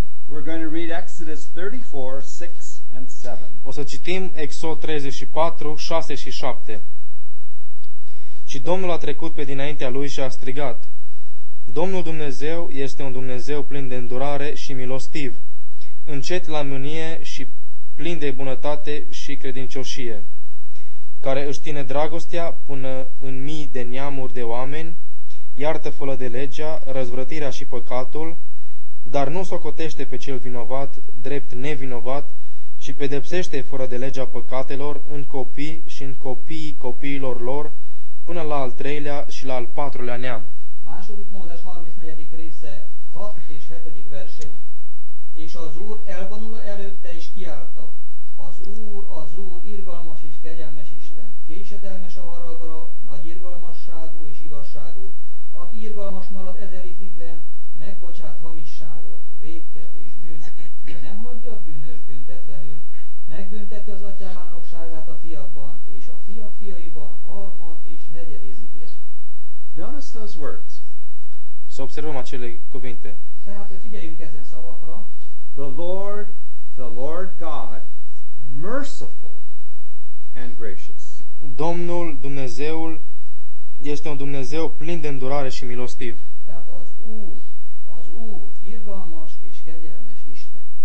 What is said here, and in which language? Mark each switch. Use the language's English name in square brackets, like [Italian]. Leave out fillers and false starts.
[English] We're going to read Exodus 34, 6 and 7. [Romanian] O să citim Exod 34, 6 și 7. Și Domnul a trecut pe dinaintea lui și a strigat: Domnul Dumnezeu este un Dumnezeu plin de îndurare și milostiv, încet la mânie și plin de bunătate și credincioșie, care își ține dragostea până în mii de neamuri de oameni, iartă fără de legea, răzvrătirea și păcatul, dar nu socotește pe cel vinovat drept nevinovat și pedepsește fără de legea păcatelor în copii și în copiii copiilor lor, până la al treilea și la al patrulea neam. [Hungarian] Második Mózes 34. része 6 és 7. verseny. És az Úr elvonul előtte, és kiállta: az Úr irgalmas és kegyelmes Isten, késedelmes a haragra, nagy irgalmasságú és igazságú, aki irgalmas marad ezeriziglen, megbocsát hamisságot, vétket és bűnt, de nem hagyja a bűnös büntetlenül, megbünteti az atyák bánokságát a fiakban, és a fiak fiaiban harmad és negyed iziglen. [English] Notice those words. [Romanian] Să observăm acele cuvinte. [Hungarian] Tehát figyeljünk ezen szavakra. [English] The Lord God, merciful and gracious. [Romanian] Domnul Dumnezeul este un Dumnezeu plin de îndurare și milostiv. [Hungarian] Tehát az Úr, irgalmas és kegyelmes Isten.